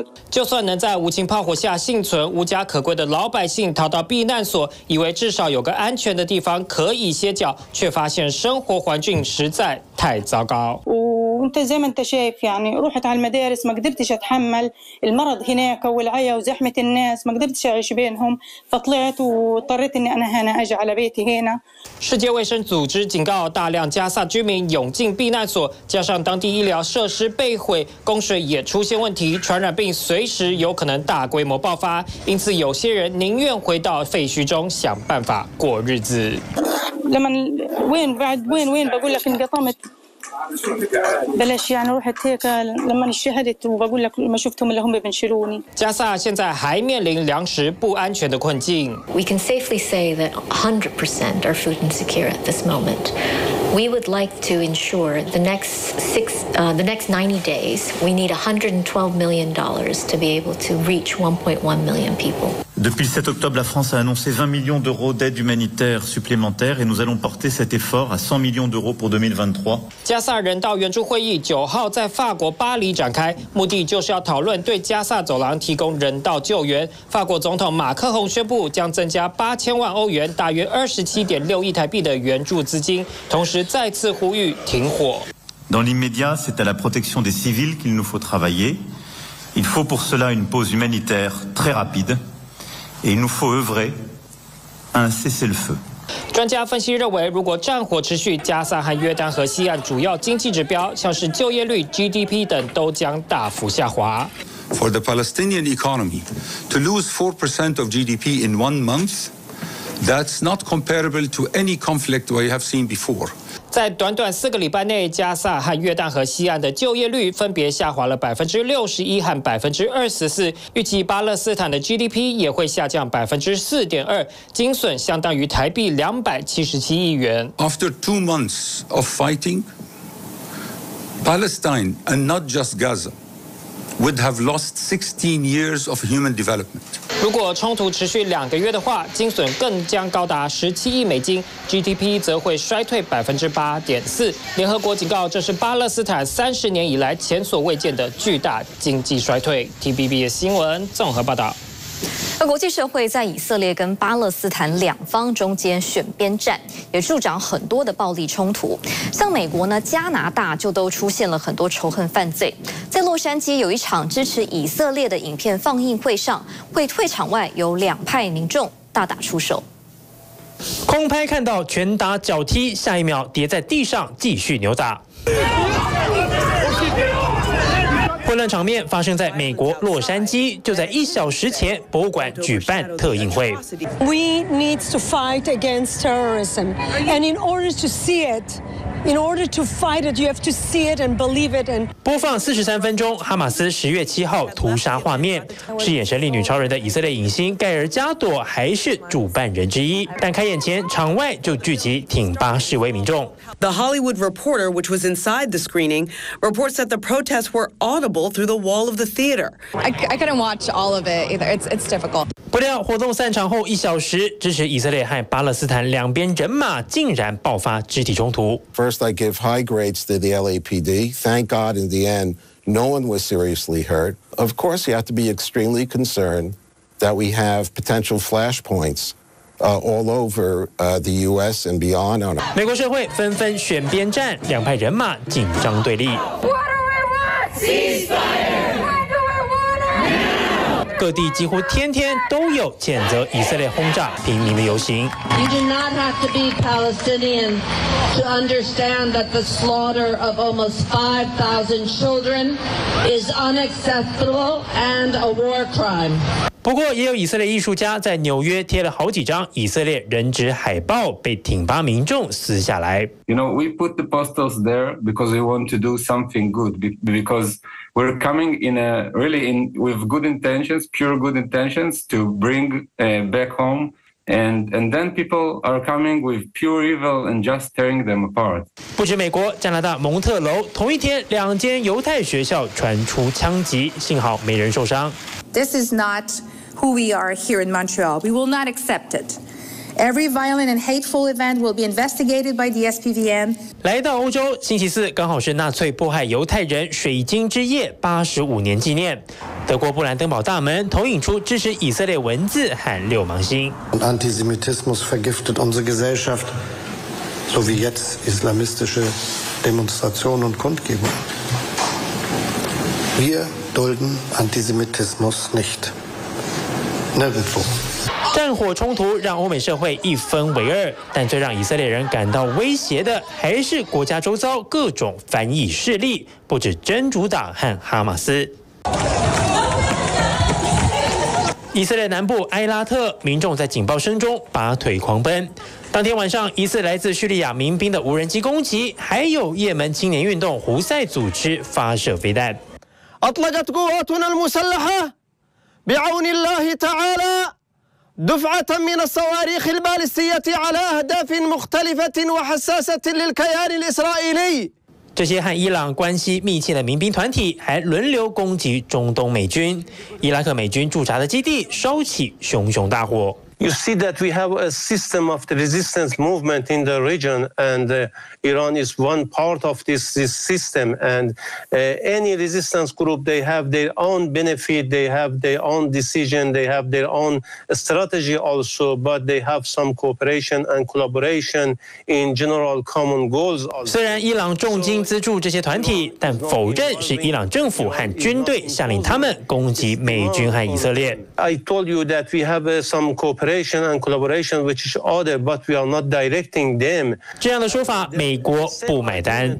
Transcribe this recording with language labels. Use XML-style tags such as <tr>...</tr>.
<zh>就算能在无情炮火下幸存，无家可归的老百姓逃到避难所，以为至少有个安全的地方可以歇脚，却发现生活环境实在太糟糕。</zh> <ar>وانت زي ما انت شايف يعني روحت على المدارس ما قدرتش اتحمل المرض هناك والعيا وزحمة الناس ما قدرتش اعيش بينهم فطلعت واضطريت اني انا هنا اجي على بيتي هنا</ar> <zh>世界卫生组织警告大量加萨居民涌进避难所，加上当地医疗设施被毁，供水也出现问题，传染病随时有可能大规模爆发，因此有些人宁愿回到废墟中想办法过日子。</zh> <ar>لما وين بعد وين بقول لك انقطمتبلاش يعني روحت هيك لما شهدت وبقول لك لما شفتهم اللي هم بنشروني.</ar> <zh>加萨现在还面临粮食不安全的困境。</zh> <en>We can safely say that 100% are food insecure at this moment. We would like to ensure the next 90 days we need $112 million to be able to reach 1.1 million people.</en> <fr>Depuis 7 octobre, la France a annoncé 20 millions d'euros d'aide humanitaire supplémentaire et nous allons porter cet effort à 100 millions d'euros pour 2023.</fr> <zh>加萨人道援助会议9号在法国巴黎展开，目的就是要讨论对加萨走廊提供人道救援。法国总统马克宏宣布将增加8000万欧元，大约27.6亿台币的援助资金，同时再次呼吁停火。</zh> <fr>Dans l'immédiat, c'est à la protection des civils qu'il nous faut travailler. Il faut pour cela une pause humanitaire très rapide. Et il nous faut œuvrer à un cessez-le-feu.</fr> <zh>专家分析认为，如果战火持续，加萨和约旦河西岸主要经济指标，像是就业率、GDP 等，都将大幅下滑。</zh> <en>For the Palestinian economy to lose 4% of GDP in one month, that's not comparable to any conflict we have seen before.</en> <zh>在短短4个礼拜内，加萨和约旦河西岸的就业率分别下滑了61%和24%。预计巴勒斯坦的 GDP 也会下降4.2%，精损相当于台币277亿元。</zh> <en>After 2 months of fighting, Palestine and not just Gaza would have lost 16 years of human development.</en> <zh>如果冲突持续两个月的话，经损更将高达17亿美金 ，GDP 则会衰退 8.4%。联合国警告，这是巴勒斯坦30年以来前所未见的巨大经济衰退。 TBB 新闻综合报道。而国际社会在以色列跟巴勒斯坦两方中间选边站，也助长很多的暴力冲突。像美国呢，加拿大就都出现了很多仇恨犯罪。在洛杉矶有一场支持以色列的影片放映会上，会场外有两派民众大打出手。空拍看到拳打脚踢，下一秒跌在地上继续扭打。混乱场面发生在美国洛杉矶，就在一小时前，博物馆举办特映会。</zh> <en>We need to fight against terrorism, and in order to see it, in order to fight it, you have to see it and believe it. And</en> <zh>播放43分钟哈马斯10月7号屠杀画面，饰演神力女超人的以色列影星盖尔加朵还是主办人之一，但开演前场外就聚集挺巴示威民众。</zh> <en>The Hollywood Reporter, which was inside the screening, reports that the protests were audible through the wall of the theater. I couldn't watch all of it either. It's difficult.</en> <zh>不料活动散场后一小时，支持以色列和巴勒斯坦两边人马竟然爆发肢体冲突。</zh> <en>First, I give high grades to the LAPD. Thank God, in the end, no one was seriously hurt. Of course, you have to be extremely concerned that we have potential flashpoints. All over the U.S. and beyond.</en> <zh>美国社会纷纷选边站，两派人马紧张对立。</zh> <en>What do we want? Ceasefire. What do we want? Now.</en> <zh>各地几乎天天都有谴责以色列轰炸平民的游行。</zh> <en>You do not have to be Palestinian to understand that the slaughter of almost 5,000 children is unacceptable and a war crime.</en> <zh>不过也有以色列艺术家在纽约贴了好几张以色列人质海报，被挺巴民众撕下来。</zh> <en>You know, we put the posters there because we want to do something good, because we're coming in a really in with good intentions, pure good intentions to bring back home. And then people are coming with pure evil and just tearing them apart.</en> <zh>不止美国，加拿大蒙特楼同一天，两间犹太学校传出枪击，幸好没人受伤。</zh> <en>This is not who we are here in Montreal. We will not accept it. Every violent and hateful event will be investigated by the SPVM.</en> <zh>来到欧洲，星期四刚好是纳粹迫害犹太人水晶之夜85年纪念。德国布兰登堡大门投影出支持以色列文字和六芒星。</zh> <de>Antisemitismus vergiftet unsere Gesellschaft, so wie jetzt islamistische Demonstrationen und Kundgebungen. Wir dulden Antisemitismus nicht. Nirgendwo.</de> <zh>战火冲突让欧美社会一分为二，但最让以色列人感到威胁的还是国家周遭各种反以势力，不止真主党和哈马斯。以色列南部埃拉特，民众在警报声中拔腿狂奔。当天晚上，疑似来自叙利亚民兵的无人机攻击，还有也门青年运动胡塞组织发射飞弹。</zh> <ar>أطلقت قواتنا المسلحة بعون الله تعالى. دفعة من الصواريخ البالستية على أهداف مختلفة وحساسة للكيان الإسرائيلي.</ar> <zh>这些和伊朗关系密切的民兵团体还轮流攻击中东美军。伊拉克美军驻扎的基地烧起熊熊大火。</zh> <en>You see that we have a system of the resistance movement in the region, and Iran is one part of this system. And any resistance group, they have their own benefit, they have their own decision, they have their own strategy also, but they have some cooperation and collaboration in general common goals.</en> <zh>虽然伊朗重金资助这些团体，但否认是伊朗政府和军队下令他们攻击美军和以色列。</zh> <en>I told you that we have some cooperation. And collaboration, which is order, but we are not directing them.</en> <zh>这样的说法，美国不买单。</zh>